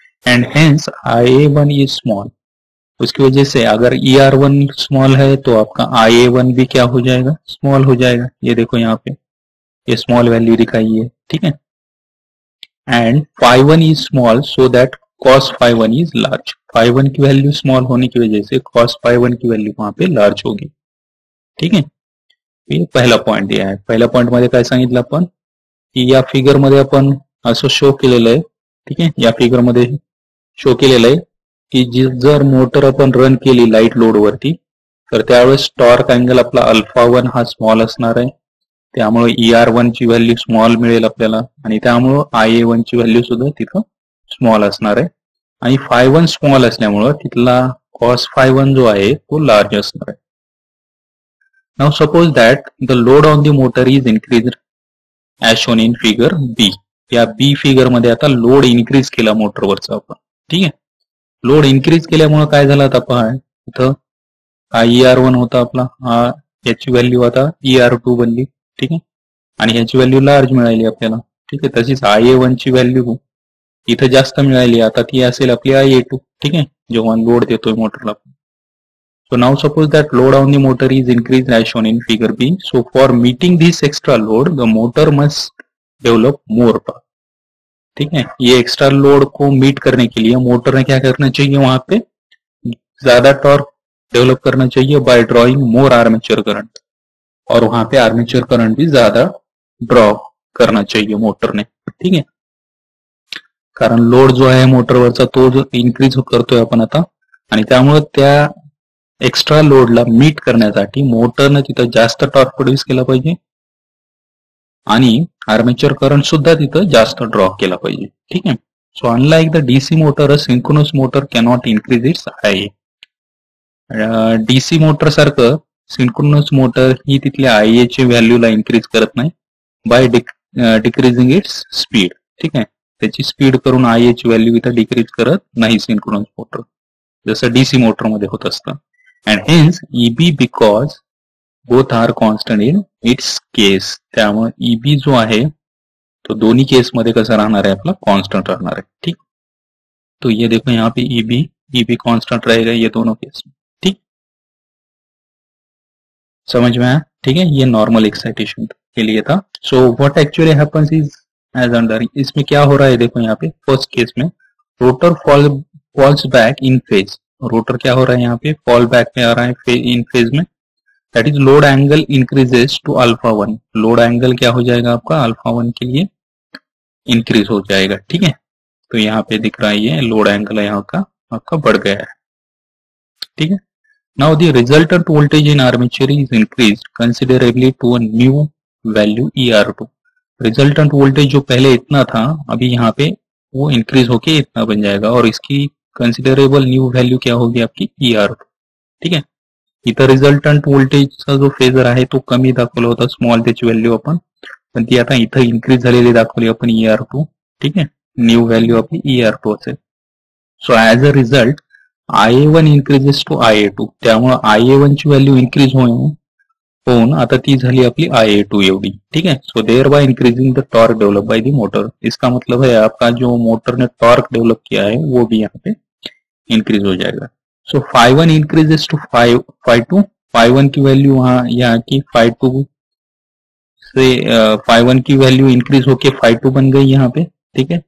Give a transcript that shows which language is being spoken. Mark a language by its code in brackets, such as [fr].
[en] and hence I a one is small, [hi] उसकी वजह से अगर ई आर वन स्मॉल है तो आपका आई ए वन भी क्या हो जाएगा, स्मॉल हो जाएगा। ये देखो यहाँ पे ये स्मॉल वैल्यू दिखाई है, ठीक है। [en] And phi1 is small, so that cos phi1 is large. [hi] phi1 की वैल्यू स्मॉल होने की वजह से cos phi1 की वैल्यू वहां पे लार्ज होगी, ठीक है। ये पहला पॉइंट दिया है। [mr] पहला पॉइंट मध्ये काय सांगितलं आपण की या फिगर मध्ये आपण असं शो केलेलं आहे, [hi] ठीक है, [mr] या फिगर मध्ये शो केलेलं आहे की जर मोटर आपण रन केली लाइट लोड वरती तर त्यावेळेस टॉर्क अँगल आपला अल्फा वन हा स्मॉल असणार आहे, त्यामुळे ई आर वन ची व्हॅल्यू स्मॉल मिळेल आपल्याला आणि त्यामुळे आय ए वन ची व्हॅल्यू सुद्धा तिथं स्मॉल असणार आहे आणि फाय वन स्मॉल असल्यामुळे तिथला कॉस फाय वन जो आहे तो लार्ज असणार आहे। [en] Now suppose that the load on the motor is increase as shown in figure B. [mr] या बी फिगर मध्ये आता लोड इन्क्रीज केला मोटरवरचा आपण, ठीक आहे। लोड इन्क्रीज केल्यामुळे काय झालं आता पहा, इथं हा ई आर वन होता आपला, हा याची व्हॅल्यू आता ई आर टू बनली, ठीक आहे, आणि ह्याची व्हॅल्यू लार्ज मिळाली आपल्याला, ठीक आहे। तशीच आय ए वन ची व्हॅल्यू इथं जास्त मिळाली, आता ती असेल आपली आय ए टू, ठीक आहे, जेव्हा लोड देतोय मोटरला। [en] So now suppose that load on the motor is increase as shown in figure B. So for meeting this extra load the motor must develop more power, [hi] ठीक है। ये एक्स्ट्रा लोड को meet करने के लिए motor ने क्या करना चाहिए, वहां पे ज्यादा टॉर्क डेवलप करना चाहिए [en] by drawing more armature current, [hi] और वहां पे आर्मेचर करंट भी ज्यादा ड्रॉ करना चाहिए मोटर ने, ठीक है, [mr] कारण लोड जो है मोटर वरचा तो जो इन्क्रीज करतोय आपण आता, आणि त्यामुळे त्या एक्स्ट्रा लोडला मीट करण्यासाठी मोटर ने तिथे जास्त टॉर्क प्रोड्यूस केला पाहिजे आणि आर्मेचर करंट सुद्धा तिथे जास्त ड्रॉ केला पाहिजे, [hi] ठीक है। [en] So unlike the DC motor a synchronous motor cannot increase its I a. [mr] DC motor सारखं सिंक्रोनस मोटर ही तिथल्या आय ए ची व्हॅल्यू ला इन्क्रीज करत नाही [en] by decreasing its speed, [mr] ठीक आहे, त्याची स्पीड करून आय ए ची व्हॅल्यू इथं डिक्रीज करत नाही सिंक्रोनस मोटर, जसं डीसी मोटर मध्ये होत असतं। [en] and hence E B because both are constant in its case, [mr] त्यामुळे ई बी जो आहे तो दोन्ही केस मध्ये कसा राहणार आहे आपला, कॉन्स्टंट राहणार आहे, ठीक। [hi] तो ये देखो यहाँ पे ई बी कॉन्स्टंट रहेगा ये दोनों केस, समझ में आया, ठीक है। ये नॉर्मल एक्साइटेशन के लिए था। [en] so what actually happens is as under, [hi] इसमें क्या हो रहा है देखो यहाँ पे फर्स्ट केस में [en] rotor falls back in phase, [hi] rotor क्या हो रहा है यहाँ पे फॉल बैक में आ रहा है इन फेज में, [en] That is load angle increases to alpha one. [hi] Load angle क्या हो जाएगा आपका अल्फा वन के लिए इंक्रीज हो जाएगा, ठीक है। तो यहाँ पे दिख रहा है ये लोड एंगल है यहाँ का आपका बढ़ गया है, ठीक है। [en] Now the resultant voltage in armature is increased considerably to a new value ER2. [hi] Resultant voltage जो पहले इतना था अभी यहाँ पे वो इंक्रीज होके इतना बन जाएगा और इसकी considerable new value क्या होगी आपकी ER2, ठीक है। [mr] इतना resultant voltage का जो फेजर है तो कमी दाखवला होता स्मॉल त्याच वैल्यू अपन, पण ती आता इथं इंक्रीज झालेली दाखवली आपण ER2, [hi] ठीक है, [mr] न्यू वैल्यू आपली ER2 असेल। [en] so as a result I A one increases to I A two, [mr] त्यामुळे आय ए वन ची व्हॅल्यू इन्क्रीज होऊन आता ती झाली आपली आय ए टू एवढी, ठीक आहे. [en] So thereby increasing the torque develop by the motor. [hi] इसका मतलब है आपका जो मोटर ने टॉर्क डेव्हलप किया है वो भी यहाँ पे इंक्रीज हो जाएगा. [en] so phi one increases to five five two, [hi] five one की वैल्यू वहां यहाँ की फाइव टू से फाइव वन की वैल्यू इंक्रीज होके फाइव टू बन गई यहाँ पे, ठीक है.